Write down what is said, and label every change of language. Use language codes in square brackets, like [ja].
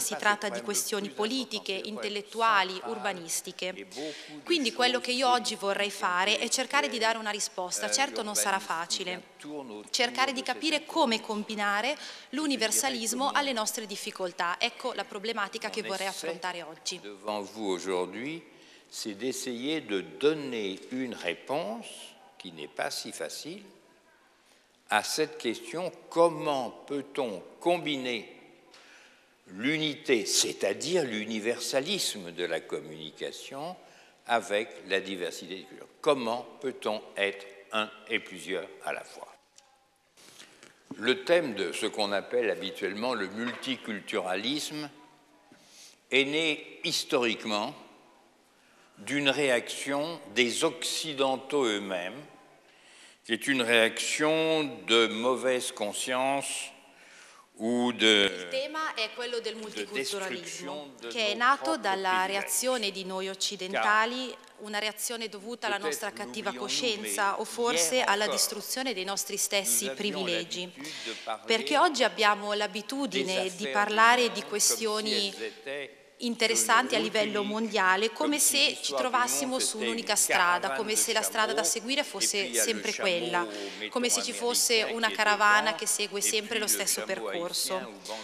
[it] Si tratta di questioni politiche, intellettuali, urbanistiche. Quindi quello che io oggi vorrei fare è cercare di dare una risposta. Certo non sarà facile, cercare di capire come combinare l'universalismo alle nostre difficoltà. Ecco la problematica che vorrei affrontare oggi. [fr] C'est d'essayer de donner une réponse qui n'est pas si facile à cette question: comment peut-on combiner l'unité, c'est-à-dire l'universalisme de la communication, avec la diversité des cultures? Comment peut-on être un et plusieurs à la fois? Le thème de ce qu'on appelle habituellement le multiculturalisme est né historiquement d'une réaction des Occidentaux eux-mêmes, qui est une réaction de mauvaise conscience ou de... [it] Il tema è quello del multiculturalismo, che è nato dalla reazione di noi occidentali, una reazione dovuta alla nostra cattiva coscienza o forse alla distruzione dei nostri stessi privilegi. Perché oggi abbiamo l'abitudine di parlare di questioni interessanti a livello mondiale, come se ci trovassimo su un'unica strada, come se la strada da seguire fosse sempre quella, come se ci fosse una caravana che segue sempre lo stesso percorso.